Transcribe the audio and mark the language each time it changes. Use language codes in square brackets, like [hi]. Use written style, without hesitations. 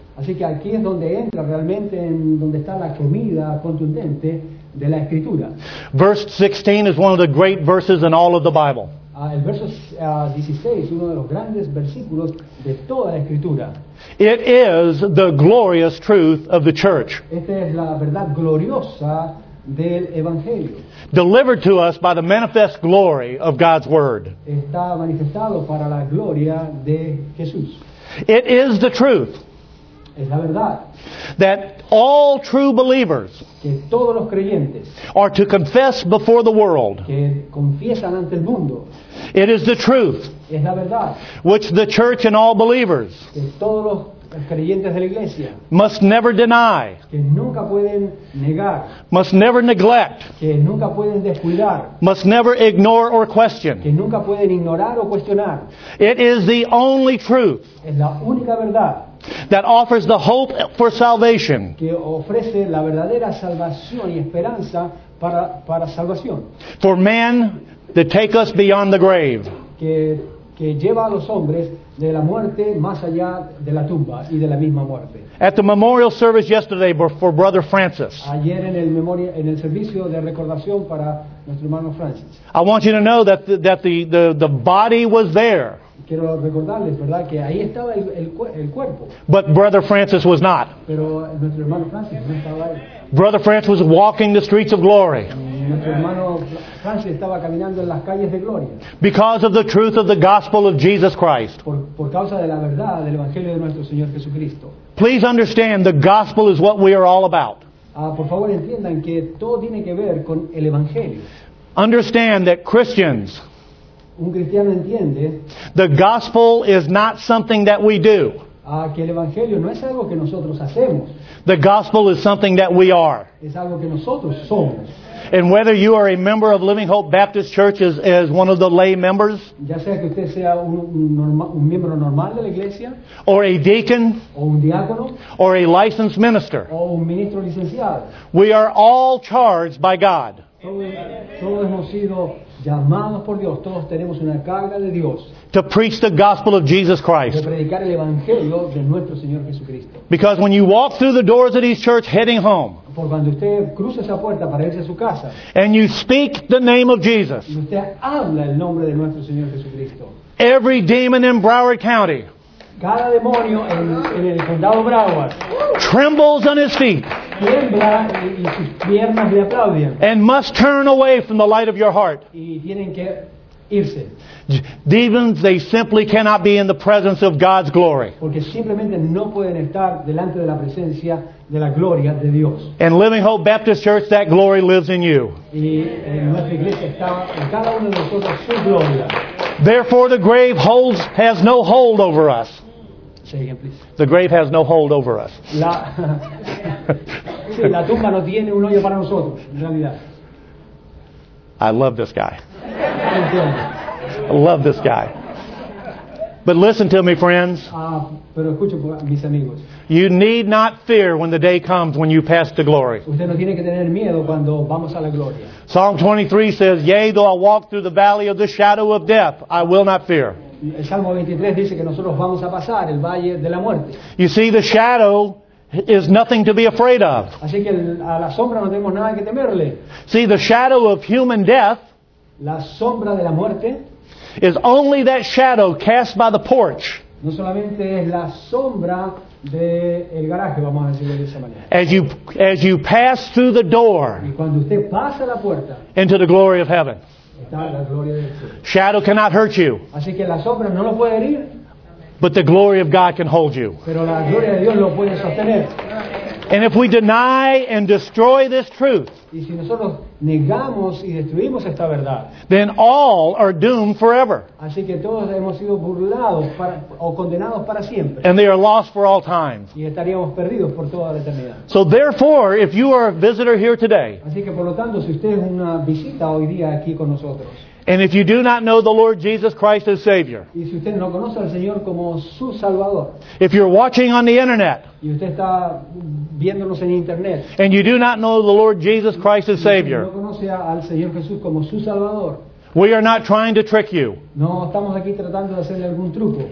[es] Así que aquí es donde entra realmente en donde está la comida contundente de la escritura. [en] Verse 16 is one of the great verses in all of the Bible. [es] El verso 16 es uno de los grandes versículos de toda la escritura. [en] It is the glorious truth of the church. [es] Esta es la verdad gloriosa del evangelio. [en] Delivered to us by the manifest glory of God's word. [es] Está manifestado para la gloria de Jesús. [en] It is the truth. [es] Es la verdad. [en] That all true believers, [es] que todos los creyentes, [en] are to confess before the world, [es] que confiesan ante el mundo. [en] It is the truth, [es] es la verdad, [en] which the church and all believers, [es] que todos los creyentes de la iglesia, [en] must never deny, [es] que nunca pueden negar, [en] must never neglect, [es] que nunca pueden descuidar, [en] must never ignore or question, [es] que nunca pueden ignorar o cuestionar. [en] It is the only truth, [es] es la única verdad, [en] that offers the hope for salvation, [es] que ofrece la verdadera salvación y esperanza para salvación, [en] for men to take us beyond the grave, [es] que lleva a los hombres de la muerte más allá de la tumba y de la misma muerte. [en] At the memorial service yesterday for Brother Francis, [es] ayer en el servicio de recordación para nuestro hermano Francis, [en] I want you to know that the body was there. [es] Quiero recordarles, ¿verdad?, que ahí estaba el cuerpo. [en] But Brother Francis was not. [es] Pero nuestro hermano Francis no estaba ahí. [en] Brother Francis was walking the streets of glory. [es] Nuestro hermano Francis estaba caminando en las calles de gloria. [en] Because of the truth of the gospel of Jesus Christ. [es] Por causa de la verdad del evangelio de nuestro Señor Jesucristo. [en] Please understand, the gospel is what we are all about. [es] Por favor, entiendan que todo tiene que ver con el evangelio. [en] Understand that Christians, [es] un cristiano entiende, [en] the gospel is not something that we do. [es] Que el evangelio no es algo que nosotros hacemos. [en] The gospel is something that we are. [es] Es algo que nosotros somos. [en] And whether you are a member of Living Hope Baptist Church as one of the lay members, [es] ya sea que usted sea un miembro normal de la iglesia, [en] or a deacon, [es] o un diácono, [en] or a licensed minister, [es] o un ministro licenciado, [en] we are all charged by God. [es] Todos hemos sido llamados por Dios. Todos tenemos una carga de Dios. [en] To preach the gospel of Jesus Christ. [es] De predicar el evangelio de nuestro Señor Jesucristo. [en] Because when you walk through the doors of these churches heading home, [es] por cuando usted cruza esa puerta para irse a su casa, [en] and you speak the name of Jesus, [es] y usted habla el nombre de nuestro Señor Jesucristo, [en] every demon in Broward County, [es] cada demonio en el condado Broward, [en] trembles on his feet, [es] tiembla y sus piernas le aplauden. [en] And must turn away from the light of your heart. [es] Y tienen que irse. [en] Demons, they simply cannot be in the presence of God's glory. [es] Porque simplemente no pueden estar delante de la presencia de la gloria de Dios. [en] And Living Hope Baptist Church, that glory lives in you. [es] Y en nuestra iglesia está en cada uno de nosotros su gloria. [en] Therefore, the grave has no hold over us. Say again, please. The grave has no hold over us. [es] Sí, la tumba no tiene un hoyo para nosotros, en realidad. [en] I love this guy. I love this guy. But listen to me, friends. [es] Pero escucho, mis amigos. [en] You need not fear when the day comes when you pass to glory. [es] Usted no tiene que tener miedo cuando vamos a la gloria. [en] Psalm 23 says, "Yea, though I walk through the valley of the shadow of death, I will not fear." [es] El Salmo 23 dice que nosotros vamos a pasar el valle de la muerte. [en] You see, the shadow is nothing to be afraid of. [es] Así que a la sombra no tenemos nada que temerle. [en] See, the shadow of human death, [es] la sombra de la muerte, [en] is only that shadow cast by the porch. [es] No solamente es la sombra de el garaje, vamos a decirlo de esa manera. [en] As you pass through the door, [es] y cuando usted pasa la puerta, [en] into the glory of heaven. [es] Está la gloria del cielo. [en] Shadow cannot hurt you. [es] Así que la sombra no lo puede herir. [en] But the glory of God can hold you. [es] Pero la gloria de Dios lo puede sostener. [en] And if we deny and destroy this truth, [es] y si nosotros negamos y destruimos esta verdad, [en] then all are doomed forever. [es] Así que todos hemos sido burlados para, o condenados para siempre. [en] And they are lost for all time. [es] Y estaríamos perdidos por toda la eternidad. [en] So therefore, if you are a visitor here today, [es] así que por lo tanto, si usted es una visita hoy día aquí con nosotros, [en] and if you do not know the Lord Jesus Christ as Savior, [es] y si usted no conoce al Señor como su Salvador, [en] if you're watching on the internet, [es] y usted está viéndonos en internet, [en] and you do not know the Lord Jesus Christ as Savior, [es] y no conoce al Señor Jesús como su Salvador, [en] we are not trying to trick you. [es] No estamos aquí tratando de hacerle algún truco.